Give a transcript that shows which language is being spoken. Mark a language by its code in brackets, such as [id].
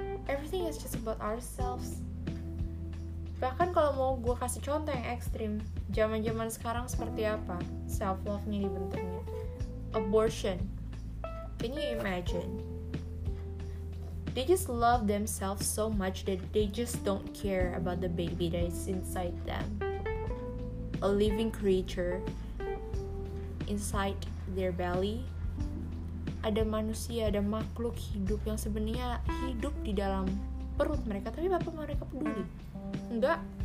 [en] Everything is just about ourselves. [id] Bahkan kalau mau gue kasih contoh yang ekstrim, zaman-zaman sekarang seperti apa self-love-nya dibentuknya? [en] Abortion. Can you imagine? They just love themselves so much that they just don't care about the baby that is inside them. A living creature inside their belly. [id] Ada manusia, ada makhluk hidup yang sebenarnya hidup di dalam perut mereka, tapi apa mereka peduli? Enggak.